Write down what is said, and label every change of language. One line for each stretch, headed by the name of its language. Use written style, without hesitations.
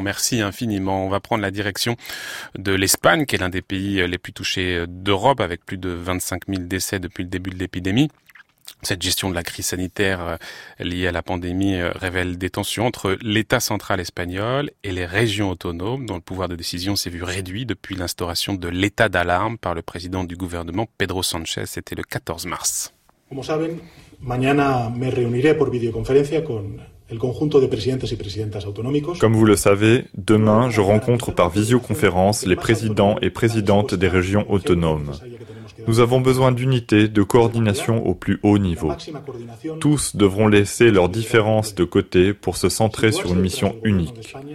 French: Merci infiniment. On va prendre la direction de l'Espagne, qui est l'un des pays les plus touchés d'Europe, avec plus de 25 000 décès depuis le début de l'épidémie. Cette gestion de la crise sanitaire liée à la pandémie révèle des tensions entre l'État central espagnol et les régions autonomes, dont le pouvoir de décision s'est vu réduit depuis l'instauration de l'état d'alarme par le président du gouvernement, Pedro Sánchez. C'était le 14 mars.
Spanish: Como saben, mañana me reuniré por videoconferencia con el conjunto de presidentes y presidentas autonómicos.
French: Comme vous le savez, demain, je rencontre par visioconférence les présidents et présidentes des régions autonomes. Nous avons besoin d'unité, de coordination au plus haut niveau. Tous devront laisser leurs différences de côté pour se centrer sur une mission unique.